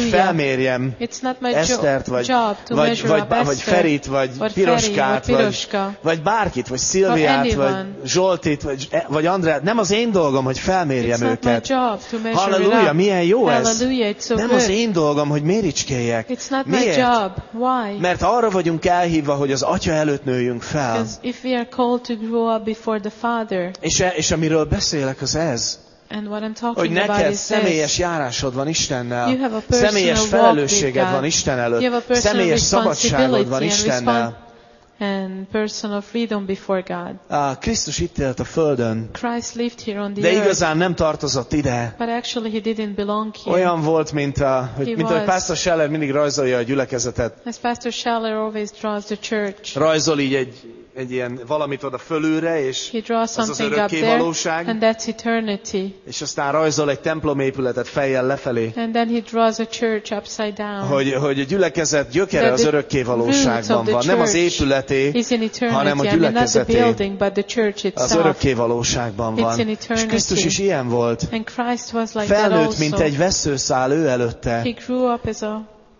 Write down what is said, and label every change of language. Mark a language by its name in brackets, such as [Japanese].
[Hungarian] Hogy felmérjem Esztert, vagy Ferit, vagy Piroskát, vagy bárkit, vagy Szilviát, vagy Zsoltit, vagy Andrát. Nem az én dolgom, hogy felmérjem őket. Halleluja, milyen jó ez. [English] So [Hungarian] nem [English] good. [Hungarian] Az én dolgom, hogy méricskéljek. [English] It's not [Hungarian] miért? [English] My job. Why? [Hungarian] Mert arra vagyunk elhívva, hogy az Atya előtt nőjünk fel. [English] If we are called to grow up before the Father. [Hungarian] És amiről beszélek, az ez. [English] And what I'm talking [Hungarian] hogy neked [English] about is [Hungarian] személyes [English] this. [Hungarian] Járásod van Istennel, [English] you have a personal [Hungarian] személyes felelősséged van Isten előtt, [English] you have a personal [Hungarian] személyes szabadságod van Istennel. [English] And personal freedom before God. [Hungarian] Krisztus itt élt a Földön. [English] Christ lived here on the [Hungarian] de igazán nem tartozott ide. [English] But actually he didn't belong here. [Hungarian] Olyan volt, mint ahogy Pastor Scheller mindig rajzolja a gyülekezetet. [English] As Pastor Scheller always draws the church. [Hungarian] Rajzol így egy egy ilyen valamit oda fölülre, és az az örökké [English] there, [Hungarian] valóság. [English] And that's eternity. [Hungarian] És aztán rajzol egy templomépületet fejjel lefelé. [English] And then he draws a church upside down. [Hungarian] Hogy a gyülekezet gyökere az örökké valóságban van, nem az épületé, hanem a gyülekezeté. [English] Building, but the church itself. [Hungarian] Az örökké valóságban van. [English] It's in eternity. [Hungarian] És Krisztus is ilyen volt. [English] And Christ was like [Hungarian] felnőtt, [English] that also. [Hungarian] Mint egy veszőszál ő előtte. [English] He grew up as a